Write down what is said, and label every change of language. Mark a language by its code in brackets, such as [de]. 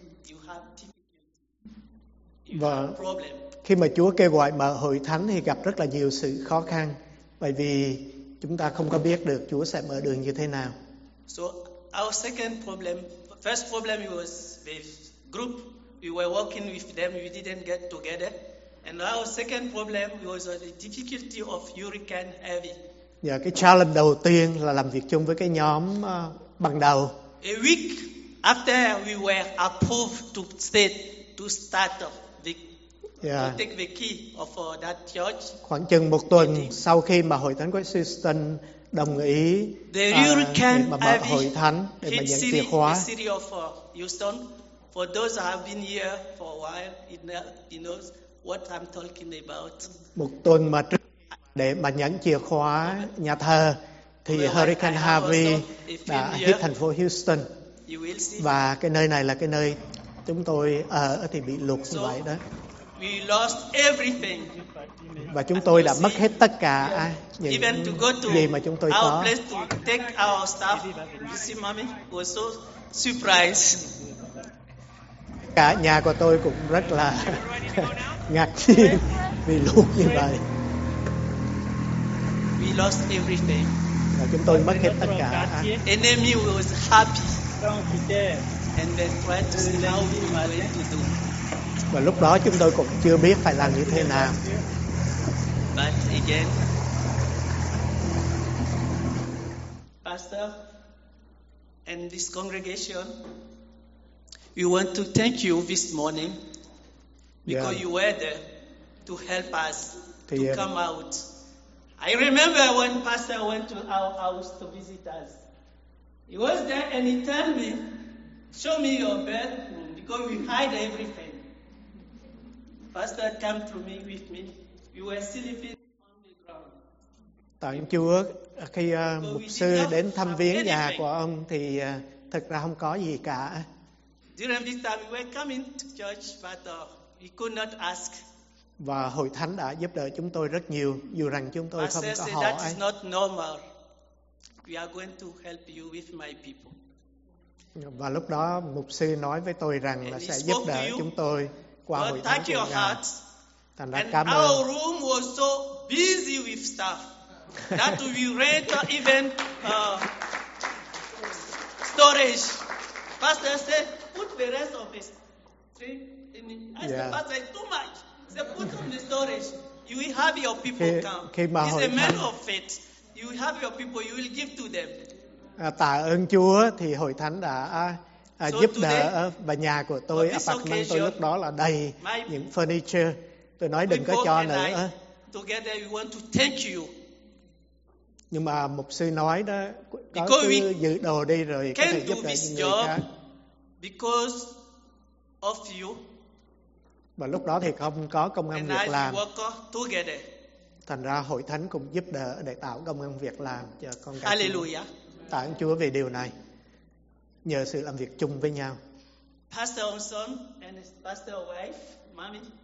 [en] You have difficulty. [vi] Và khi mà Chúa kêu gọi mở hội thánh thì gặp rất là nhiều sự khó khăn, bởi vì chúng ta không có biết được Chúa sẽ mở đường như thế nào. [en] So our second problem, first problem was the group we were working with them, we didn't get together. And our second problem was the difficulty of hurricane heavy. [vi] Dạ, cái challenge đầu tiên là làm việc chung với cái nhóm ban đầu. [en] A week after we were approved to stay to start to take the key of that church. [vi] Khoảng chừng một tuần sau khi mà hội thánh của Houston đồng ý mở hội thánh để mà nhận chìa khóa. [en] The city of Houston. For those who have been here for a while, he knows what I'm talking about. [vi] Một tuần mà trước để mà nhận chìa khóa nhà thờ thì Hurricane Harvey đã hit thành phố Houston. [en] You will see. [vi] Và cái nơi này là cái nơi chúng tôi ở thì bị lụt như vậy đó. [en] We lost everything. [vi] Và chúng tôi đã mất hết tất cả những [en] even to go to [vi] gì mà chúng tôi [en] our [vi] có. [en] Place to take our stuff. You see, mommy was so surprised. [vi] Cả nhà của tôi cũng rất là ngạc nhiên vì lụt như vậy. [en] We lost everything. [vi] Và chúng tôi mất hết tất cả. [en] Enemy was happy. And then try to see how we manage to do. [vi] Và lúc đó chúng tôi cũng chưa biết phải làm như thế nào. [en] But again, Pastor and this congregation, we want to thank you this morning because you were there to help us to come out. I remember when Pastor went to our house to visit us. He was there and he told me, show me your bedroom because we hide everything. Pastor came to me with me. We were sleeping on the ground. [vi] Tạ ơn Chúa, khi mục sư đến thăm viếng nhà của ông thì thực ra không có gì cả. [en] During this time we were coming to church, but we could not ask. [vi] Và hội thánh đã giúp đỡ chúng tôi rất nhiều, dù rằng chúng tôi không có họ. [en] That is not normal. We are going to help you with my people. [vi] Và lúc đó mục sư nói với tôi rằng là sẽ giúp đỡ chúng tôi qua hội thánh của Ngài. Thành ra cảm ơn. [en] Our room was so busy with stuff that we rent even storage. Pastor said, put the rest of this. I said, Pastor, too much. He said, put on the storage. You will have your people come. He's a man of faith. You will have your people. You will give to them. [vi] Tạ ơn Chúa thì hội thánh đã giúp đỡ và nhà của tôi [en] apartment [vi] tôi lúc đó là đầy những furniture. Tôi nói đừng có cho nữa. [en] Together we want to thank you. [vi] Nhưng mà mục sư nói đó có cứ giữ đồ đi rồi có thể giúp đỡ những người khác. [en] Because of you. [vi] Và lúc đó thì không có công ăn việc làm. [en] Together. [vi] Thành ra hội thánh cũng giúp đỡ để tạo công ăn việc làm cho con gái. [en] Hallelujah. [vi] Tạ ơn Chúa về điều này. Nhờ sự làm việc chung với nhau. [en] Pastor Hong Son and his pastor wife, mommy,